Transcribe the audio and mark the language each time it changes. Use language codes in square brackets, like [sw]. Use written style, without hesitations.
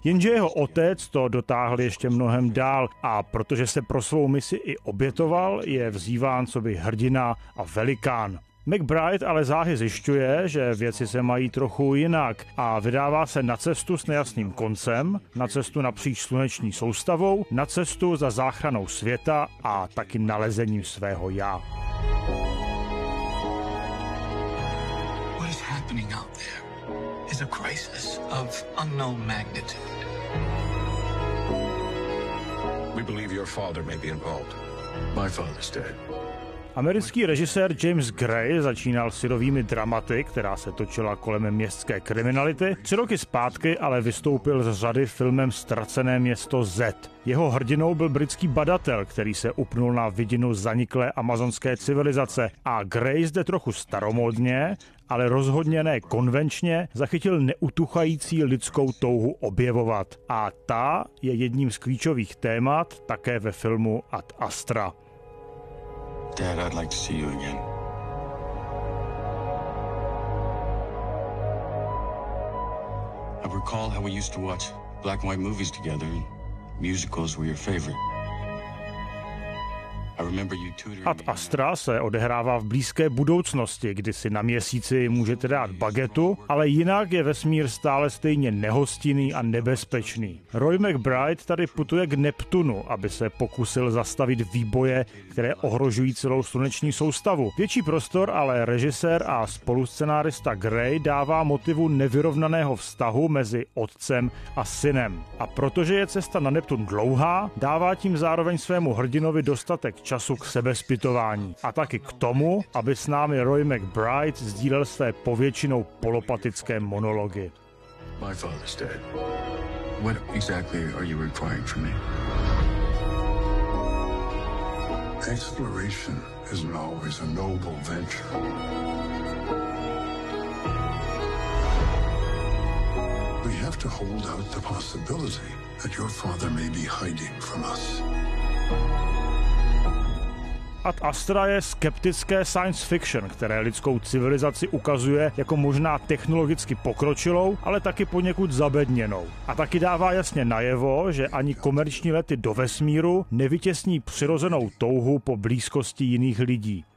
[cs] Jenže jeho otec to dotáhl ještě mnohem dál a protože se pro svou misi i obětoval, je vzýván coby hrdina a velikán. McBride ale záhy zjišťuje, že věci se mají trochu jinak a vydává se na cestu s nejasným koncem, na cestu napříč sluneční soustavou, na cestu za záchranou světa a taky nalezením svého já. [en] What is happening out there is a crisis of unknown magnitude. We believe your father may be involved. My father's dead. [cs] Americký režisér James Gray začínal syrovými dramaty, která se točila kolem městské kriminality. 3 roky zpátky ale vystoupil z řady filmem Ztracené město Z. Jeho hrdinou byl britský badatel, který se upnul na vidinu zaniklé amazonské civilizace. A Gray zde trochu staromódně, ale rozhodně ne konvenčně, zachytil neutuchající lidskou touhu objevovat. A ta je jedním z klíčových témat také ve filmu Ad Astra. [en] Dad, I'd like to see you again. I recall how we used to watch black and white movies together, and musicals were your favorite. [cs] Ad Astra se odehrává v blízké budoucnosti, kdy si na měsíci můžete dát bagetu, ale jinak je vesmír stále stejně nehostinný a nebezpečný. Roy McBride tady putuje k Neptunu, aby se pokusil zastavit výboje, které ohrožují celou sluneční soustavu. Větší prostor ale režisér a spoluscenárista Gray dává motivu nevyrovnaného vztahu mezi otcem a synem. A protože je cesta na Neptun dlouhá, dává tím zároveň svému hrdinovi dostatek času k sebezpytování a taky k tomu, aby s námi Roy McBride sdílel své povětšinou polopatické monology. [en] My father's dead. What exactly are you requiring from me? Exploration isn't always a noble venture. We have to hold out the possibility that your father may be hiding from us. [cs] Ad Astra je skeptické science fiction, které lidskou civilizaci ukazuje jako možná technologicky pokročilou, ale taky poněkud zabedněnou. A taky dává jasně najevo, že ani komerční lety do vesmíru nevytěsní přirozenou touhu po blízkosti jiných lidí.